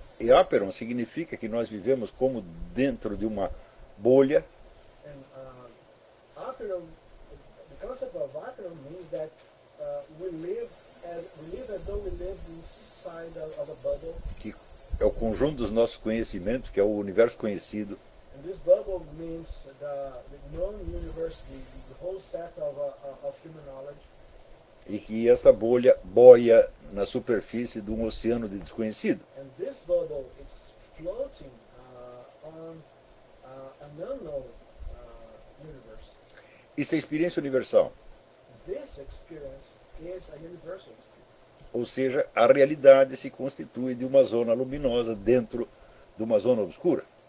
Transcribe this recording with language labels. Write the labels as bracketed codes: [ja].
[pt] E aperon significa que nós vivemos como dentro de uma bolha. [en] And aperon, the concept of aperon means that we live as though we live inside of a bubble. [pt] Que é o conjunto dos nossos conhecimentos, que é o universo conhecido. [en] And this bubble means the known universe, the whole set of human knowledge. [pt] E que essa bolha boia na superfície de um oceano de desconhecido. [en] And this bubble is floating on an unknown universe. [pt] Isso é experiência universal. [en] This experience is a universal experience. [pt] Ou seja, a realidade se constitui de uma zona luminosa dentro de uma zona obscura.